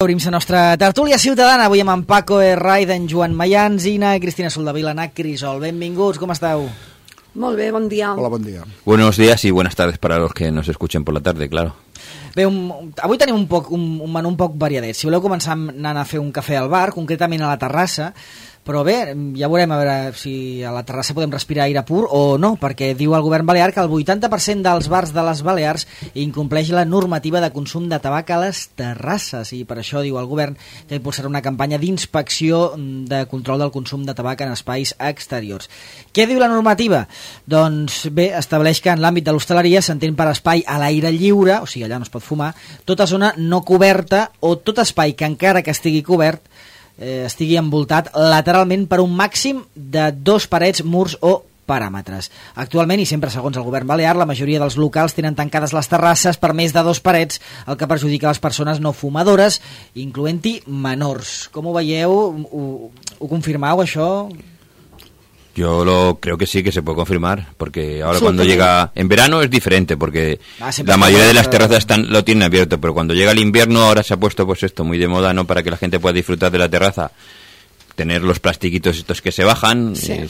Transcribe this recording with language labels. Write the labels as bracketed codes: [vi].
[ca] Obrim la nostra tertúlia ciutadana, avui amb en Paco Herraida, en Joan Mayans, Ina, Cristina Soldevila, Nac Crisol. Benvinguts, com esteu? Molt bé, bon dia. Hola, bon dia. [es] Buenos días y buenas tardes para los que nos escuchen por la tarde, claro. [ca] Bé, avui tenim un menú un poc variadet. Si voleu començar anant a fer un cafè al bar, concretament a la terrassa, però bé, ja veurem a veure si a la terrassa podem respirar aire pur o no, perquè diu el govern balear que el 80% dels bars de les Balears incompleix la normativa de consum de tabac a les terrasses, i per això diu el govern que impulsarà una campanya d'inspecció de control del consum de tabac en espais exteriors. Què diu la normativa? Doncs bé, estableix que en l'àmbit de l'hostaleria s'entén per espai a l'aire lliure, o sigui, allà no es pot fumar, tota zona no coberta o tot espai que encara que estigui cobert estigui envoltat lateralment per un màxim de dos parets, murs o paràmetres. Actualment, i sempre segons el govern balear, la majoria dels locals tenen tancades les terrasses per més de dos parets, el que perjudica les persones no fumadores, incloent-hi menors. Com ho veieu? Ho confirmeu, això? [es] Yo lo creo que sí, que se puede confirmar, porque ahora sí, cuando llega en verano es diferente, porque la mayoría de las terrazas están, lo tienen abierto, pero cuando llega el invierno ahora se ha puesto pues esto muy de moda, ¿no?, para que la gente pueda disfrutar de la terraza, tener los plastiquitos estos que se bajan, sí.